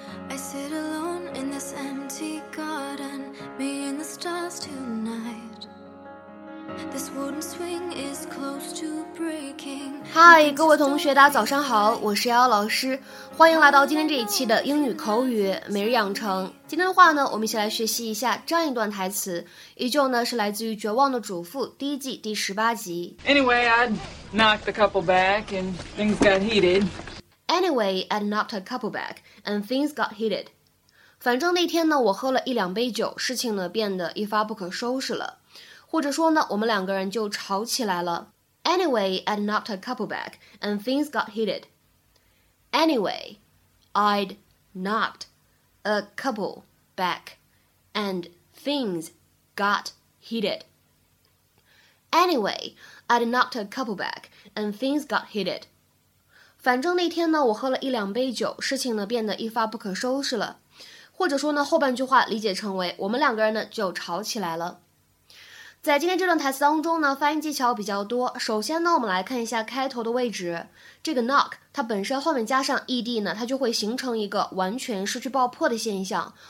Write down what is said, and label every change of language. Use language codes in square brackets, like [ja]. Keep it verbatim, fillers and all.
[en] I sit alone in this empty garden, me and the stars tonight. This wooden swing is close to breaking. [zh] 嗨，各位同学，大家早上好，我是瑶瑶老师，欢迎来到今天这一期的英语口语每日养成。今天的话呢，我们一起来学习一下这样一段台词，依旧呢是来自于《绝望的主妇》第一季第十八集。 [en] Anyway, I'd knocked the couple back and things got heated. Anyway, I knocked a couple back, and things got heated. [zh] 反正那天呢，我喝了一两杯酒，事情呢变得一发不可收拾了，或者说呢，我们两个人就吵起来了。 [en] Anyway, I knocked a couple back, and things got heated. Anyway, I'd knocked a couple back, and things got heated. Anyway, I'd knocked a couple back, and things got heated. [zh] 反正那天呢，我喝了一两杯酒，事情呢变得一发不可收拾了，或者说呢，后半句话理解成为我们两个人呢就吵起来了。在今天这段台词当中呢，发音技巧比较多。首先呢，我们来看一下开头的位置，这个 knock 它本身后面加上 ed 呢，它就会形成一个完全失去爆破的现象。